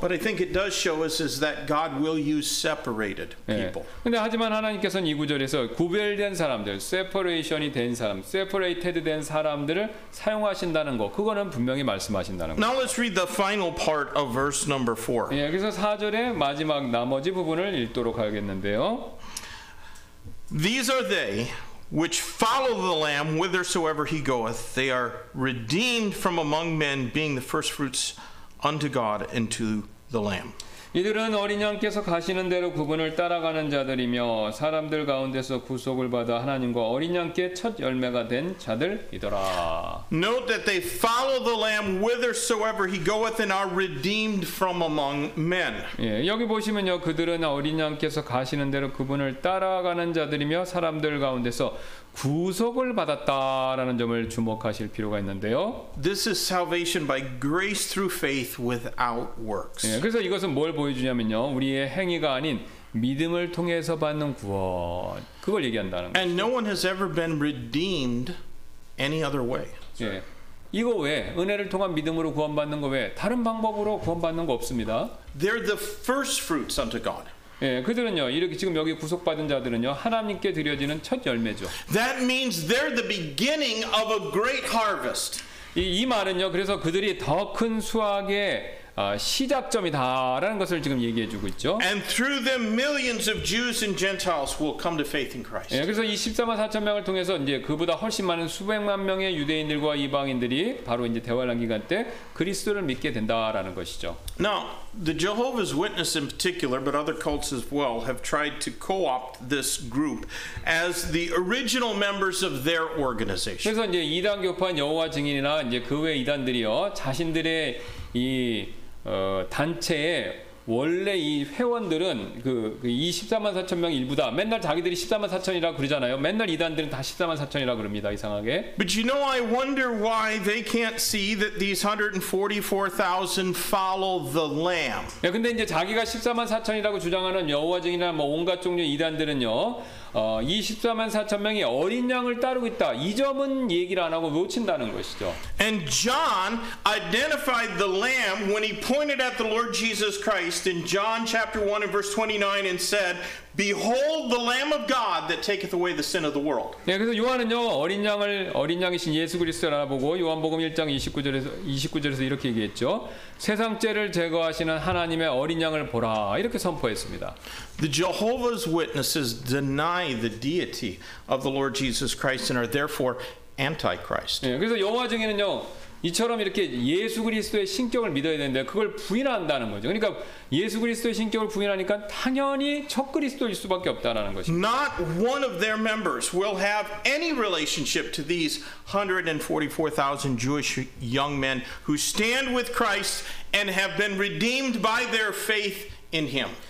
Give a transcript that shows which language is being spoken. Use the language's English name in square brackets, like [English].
[English] But I think it does show us is that God will use separated people. [Korean] 예, 근데 하지만 하나님께서는 이 구절에서 구별된 사람들, separation이 된 사람, separated 된 사람들을 사용하신다는 거, 그거는 분명히 말씀하신다는 거. [English] Now let's read the final part of verse number 4. [Korean] 예, 그래서 4절의 마지막 나머지 부분을 읽도록 하겠는데요. [English] These are they which follow the Lamb whithersoever he goeth. They are redeemed from among men, being the firstfruits unto God and to the Lamb. [Korean] 이들은 어린 양께서 가시는 대로 그분을 따라가는 자들이며 사람들 가운데서 구속을 받아 하나님과 어린 양께 첫 열매가 된 자들이더라. [English] Note that they follow the Lamb whithersoever he goeth and are redeemed from among men. [Korean] 예, 여기 보시면요 그들은 어린 양께서 가시는 대로 그분을 따라가는 자들이며 사람들 가운데서 구속을 받았다라는 점을 주목하실 필요가 있는데요. [English] This is salvation by grace through faith without works. [Korean] 예, 그래서 이것은 뭘 보여주냐면요. 우리의 행위가 아닌 믿음을 통해서 받는 구원. 그걸 얘기한다는 거죠. [English] And no one has ever been redeemed any other way. [Korean] 예. 이거 왜 은혜를 통한 믿음으로 구원받는 거 왜 다른 방법으로 구원받는 거 없습니다. [English] They're the first fruits unto God. [Korean] 예, 그들은요 이렇게 지금 여기 구속받은 자들은요 하나님께 드려지는 첫 열매죠. [English] That means they're the beginning of a great harvest. [Korean] 이 말은요 그래서 그들이 더 큰 수확의 시작점이다라는 것을 지금 얘기해주고 있죠. [English] And through them, millions of Jews and Gentiles will come to faith in Christ. [Korean] 예, 그래서 이 14만 4천 명을 통해서 이제 그보다 훨씬 많은 수백만 명의 유대인들과 이방인들이 바로 이제 대환란 기간 때 그리스도를 믿게 된다라는 것이죠. [English] Now, the Jehovah's Witness in particular, but other cults as well, have tried to co-opt this group as the original members of their organization. [Korean] 그래서 이제 이단 교파인 여호와 증인이나 이제 그 외 이단들이요 자신들의 이 단체의 원래 이 회원들은 그 24만 4천 명 일부다. 맨날 자기들이 14만 4천이라고 그러잖아요. 맨날 이단들은 다 14만 4천이라고 그럽니다. 이상하게. [English] But you know, I wonder why they can't see that these 144,000 follow the Lamb. [Korean] 예, 근데 이제 자기가 14만 4천이라고 주장하는 여호와 증인이나 뭐 온갖 종류의 이단들은요. 24만 4천 명이 어린 양을 따르고 있다. 이 점은 얘기를 안 하고 놓친다는 것이죠. [English] And John identified the lamb when he pointed at the Lord Jesus Christ in John chapter 1 and verse 29 and said, Behold the lamb of God that taketh away the sin of the world. [Korean] 예, 그래서 요한은요. 어린 양이신 예수 그리스도를 알아보고 요한복음 1장 29절에서 이렇게 얘기했죠. 세상 죄를 제거하시는 하나님의 어린 양을 보라. 이렇게 선포했습니다. [English] The Jehovah's Witnesses deny the deity of the Lord Jesus Christ and are therefore antichrist. [Korean] 예, 그래서 여호와 증인은요. 이처럼 이렇게 예수 그리스도의 신격을 믿어야 되는데 그걸 부인한다는 거죠. 그러니까 예수 그리스도의 신격을 부인하니까 당연히 적그리스도일 수밖에 없다라는 것이죠. [English] Not one of their members will have any relationship to these 144,000 Jewish young men who stand with Christ and have been redeemed by their faith in him.